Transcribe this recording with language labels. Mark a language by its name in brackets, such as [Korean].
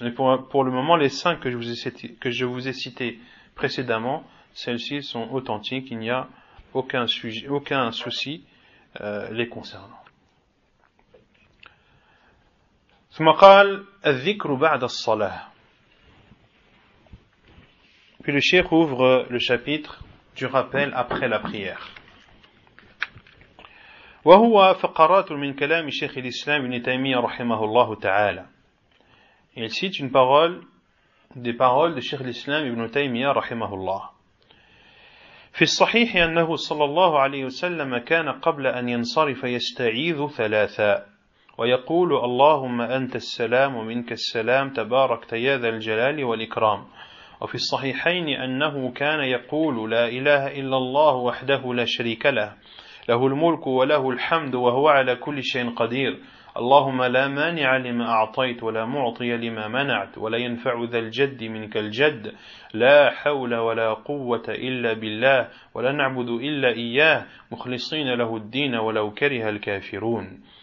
[French] Mais pour le moment, les 5 que je vous ai cités précédemment, celles-ci sont authentiques. Il n'y a aucun souci les concernant. [Arabic] ثم قال الذكر بعد الصلاة [French] Puis le cheikh ouvre le chapitre du rappel après la prière. [Arabic] وهو فقرات من كلام شيخ الإسلام ابن تيمية رحمه الله تعالى. [French] Il cite une parole des paroles de Cheikh l'Islam ibn Taymiyyah [Arabic] رحمه الله. في الصحيح أنه صلى الله عليه وسلم كان قبل أن ينصرف يستعيذ ثلاثا ويقول اللهم أنت السلام ومنك السلام تبارك يا ذا الجلال والإكرام. وفي الصحيحين أنه كان يقول لا إله إلا الله وحده لا شريك له له الملك وله الحمد وهو على كل شيء قدير اللهم لا مانع لما أعطيت ولا معطي لما منعت ولا ينفع ذا الجد منك الجد لا حول ولا قوة إلا بالله ولا نعبد إلا إياه مخلصين له الدين ولو كره الكافرون